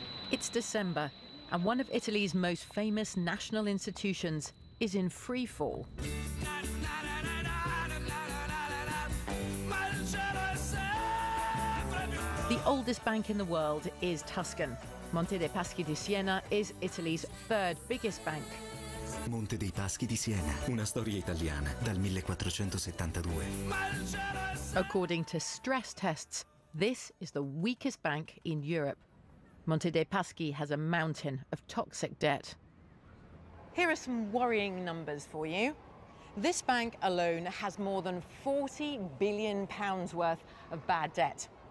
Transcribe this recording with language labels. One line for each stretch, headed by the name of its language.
English: It's December, and one of Italy's most famous national institutions is in free fall. The oldest bank in the world is Tuscan. Monte dei Paschi di Siena is Italy's third biggest bank.
Italian: Monte dei Paschi di Siena, una storia italiana dal 1472.
English: According to stress tests, this is the weakest bank in Europe. Monte dei Paschi has a mountain of toxic debt. Here are some worrying numbers for you. This bank alone has more than £40 billion worth of bad debt.